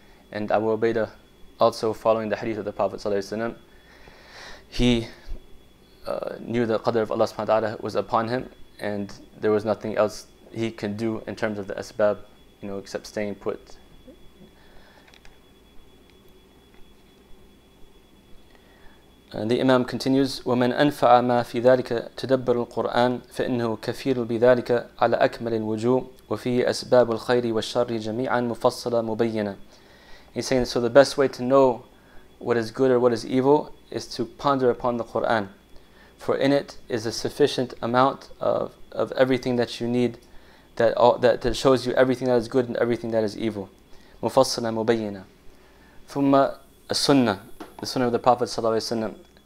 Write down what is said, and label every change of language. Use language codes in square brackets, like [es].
[en] And Abu Ubaidah, also following the hadith of the Prophet sallallahu alayhi wa sallam, he knew the qadr of Allah subhanahu wa ta'ala was upon him, and there was nothing else he can do in terms of the asbab, you know, except staying put. And the Imam continues, [ar] وَمَنْ أَنْفَعَ مَا فِي ذَلِكَ تَدَبَّرُ الْقُرْآنِ فَإِنَّهُ كَفِيرٌ بِذَلِكَ عَلَى أَكْمَلِ الْوُجُوهِ وَفِيهِ أَسْبَابُ الْخَيْرِ وَالشَّرِّ جَمِيعًا مُفَصَّلًا مُبَيِّنًا. [en] He's saying, so the best way to know what is good or what is evil is to ponder upon the Qur'an. For in it is a sufficient amount of everything that you need, that shows you everything that is good and everything that is evil. [ar] مُفَصَّلَ مُبَيِّنَ ثُمَّ السُنَّة, [en] the sunnah of the Prophet ﷺ.